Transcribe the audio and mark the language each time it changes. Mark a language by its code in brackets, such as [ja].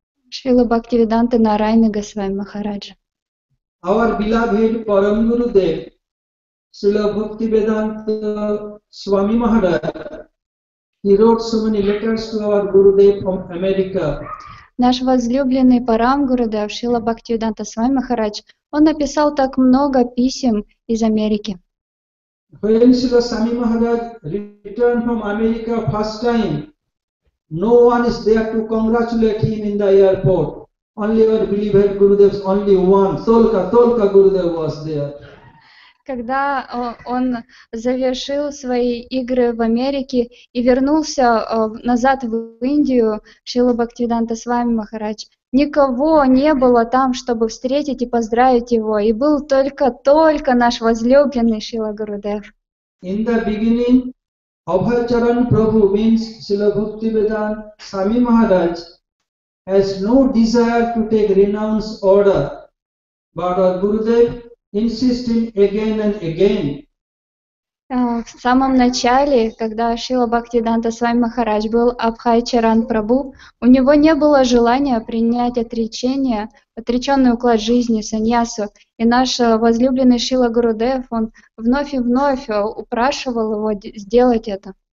[ru] Шрила Бхактивиданта Нарайана Госвами Махараджа. [en] Our beloved Param Gurudev, Srila Bhaktivedanta Swami Maharaj, he wrote so many letters to our Gurudev from America. [ru] Наш возлюбленный Парам Гурудев, Шрила Бхактивиданта Свами Махарадж, он написал так много писем из Америки. [en] When Srila Swami Maharaj returned from America first time, no one is there to congratulate him in the airport. Only our beloved Gurudev, only one, Tolka Gurudev was there. [ru] Когда он завершил свои игры в Америке и вернулся назад в Индию, Шрила Бхактивиданта Свами Махарадж, никого не было там, чтобы встретить и поздравить его, и был только наш возлюбленный Шрила Гурудев. [en] In the beginning, Abhacharan Prabhu means Srila Bhaktivedanta Swami Maharaj has no desire to take renounce order, but our Gurudev insisting again and again. [ru] В самом начале, когда Шрила Бхактивиданта Свами Махарадж был Абхайчаран Прабху, у него не было желания принять отречение, отреченный уклад жизни, саньясу. И наш возлюбленный Шрила Гурудев, он вновь и вновь упрашивал его сделать это.